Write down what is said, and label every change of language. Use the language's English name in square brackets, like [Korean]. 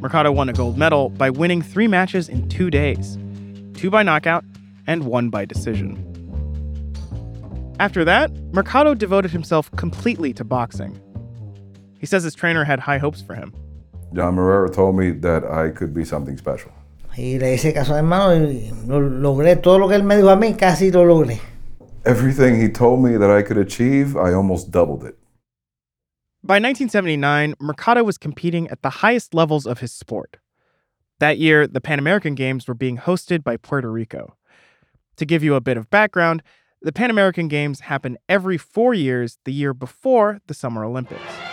[English] Mercado won a gold medal by winning three matches in 2 days, two by knockout and one by decision. After that, Mercado devoted himself completely to boxing. He says his trainer had high hopes for him. John Marrero told me that I could be something special. [Spanish] Y le hice caso a hermano y lo logré. Todo lo que él me dijo a mí, casi lo logré. [English] Everything he told me that I could achieve, I almost doubled it. By 1979, Mercado was competing at the highest levels of his sport. That year, the Pan American Games were being hosted by Puerto Rico. To give you a bit of background, the Pan American Games happen every 4 years, the year before the Summer Olympics.